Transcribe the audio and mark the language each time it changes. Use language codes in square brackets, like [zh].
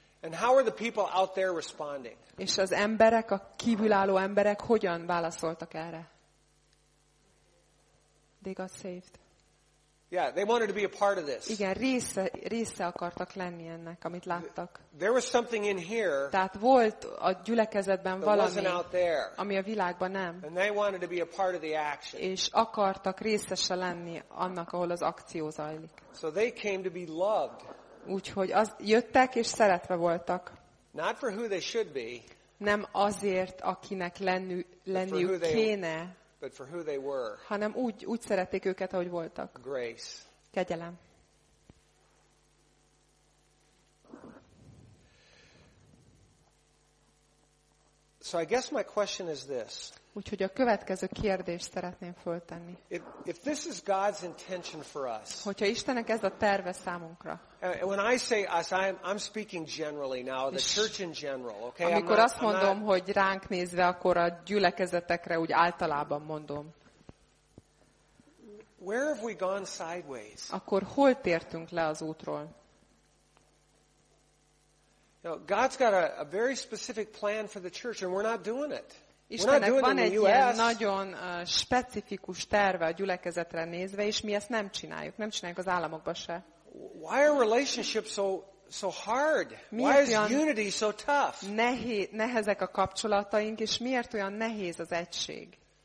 [en] And how are the people out there responding? [hu] És az emberek, a kívülálló emberek hogyan válaszoltak erre? [en] They got saved. Yeah, they wanted to be a part of this. [hu] Igen, része akartak lenni ennek, amit láttak. [en] There was something in here. [hu] Tehát volt a gyülekezetben valami, [en] wasn't out there, [hu] ami a világban nem. [en] And they wanted to be a part of the action. [hu] És akartak részese lenni annak, ahol az akció zajlik. [en] So they came to be loved. [hu] Úgyhogy az jöttek és szeretve voltak. [en] Not for who they should be. [hu] Nem azért, akinek lenniük kéne. [en] But for who they were. [hu] Hanem úgy szerették őket, ahogy voltak. [en] Grace. [hu] Kegyelem. [en] So I guess my question is this. [hu] Úgyhogy a következő kérdést szeretném föltenni. [en] If this is God's intention for us. [hu] Hogyha Istennek ez a terve számunkra. [en] When I say us, I'm speaking generally now, the church in general, okay? [hu] Amikor azt mondom, hogy ránk nézve, akkor a gyülekezetekre úgy általában mondom. [en] Where have we gone sideways? [hu] Akkor hol tértünk le az útról? [en] You know, God's got a very specific plan for the church, and we're not doing it. [hu] Istennek van egy ilyen nagyon specifikus terve a gyülekezetre nézve, és mi ezt nem csináljuk. Nem csináljuk az államokban se. [en] Why are relationships so hard? Why is unity so tough? [hu] Nehezek a kapcsolataink, és miért olyan nehéz az egység?